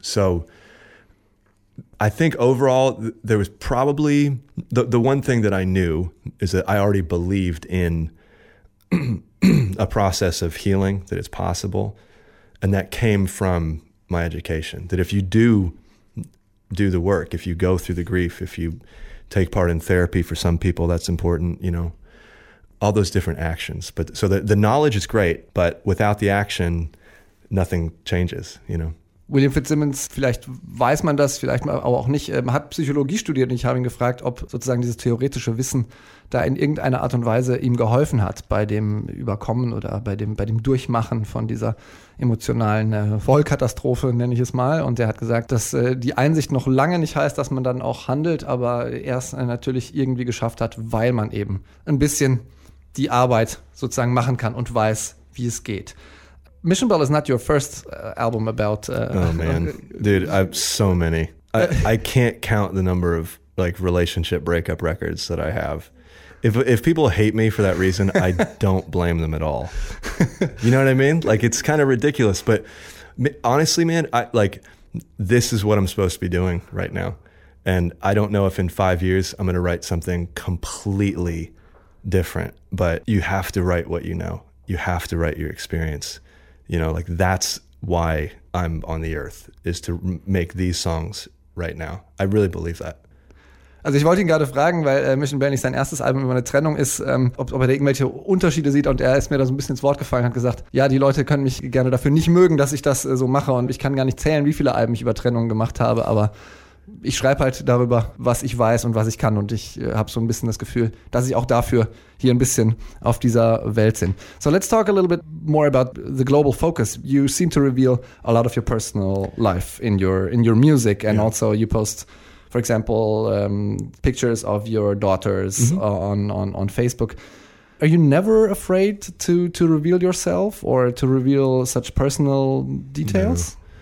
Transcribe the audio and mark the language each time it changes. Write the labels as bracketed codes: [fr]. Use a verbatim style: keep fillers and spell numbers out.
[en] So I think overall th- there was probably the the one thing that I knew is that I already believed in a process of healing, that it's possible, and that came from my education, that if you do do the work, if you go through the grief, if you take part in therapy, for some people that's important, you know, all those different actions. But so the, the knowledge is great, but without the action, nothing changes, you know. [de] William Fitzsimmons, vielleicht weiß man das, vielleicht aber auch nicht, hat Psychologie studiert, und ich habe ihn gefragt, ob sozusagen dieses theoretische Wissen da in irgendeiner Art und Weise ihm geholfen hat bei dem Überkommen oder bei dem, bei dem Durchmachen von dieser emotionalen Vollkatastrophe, nenne ich es mal. Und er hat gesagt, dass die Einsicht noch lange nicht heißt, dass man dann auch handelt, aber erst natürlich irgendwie geschafft hat, weil man eben ein bisschen die Arbeit sozusagen machen kann und weiß, wie es geht. [en] Mission Bell is not your first uh, album about... Uh, oh, man. Dude, I have so many. I, I can't count the number of, like, relationship breakup records that I have. If if people hate me for that reason, I don't blame them at all. You know what I mean? Like, it's kind of ridiculous. But honestly, man, I like, this is what I'm supposed to be doing right now. And I don't know if in five years I'm going to write something completely different, but you have to write what you know. You have to write your experience. You know, like, that's why I'm on the earth, is to make these songs right now. I really believe that. [de] Also ich wollte ihn gerade fragen, weil äh, Mission Bell nicht sein erstes Album über eine Trennung ist, ähm, ob, ob er da irgendwelche Unterschiede sieht, und er ist mir da so ein bisschen ins Wort gefallen, hat gesagt, ja, die Leute können mich gerne dafür nicht mögen, dass ich das äh, so mache, und ich kann gar nicht zählen, wie viele Alben ich über Trennungen gemacht habe, aber ich schreibe halt darüber, was ich weiß und was ich kann, und ich äh, habe so ein bisschen das Gefühl, dass ich auch dafür hier ein bisschen auf dieser Welt bin. [en] So let's talk a little bit more about the global focus. You seem to reveal a lot of your personal life in your in your music, and yeah. also you post, for example, um, pictures of your daughters mm-hmm. on, on on Facebook. Are you never afraid to to reveal yourself or to reveal such personal details?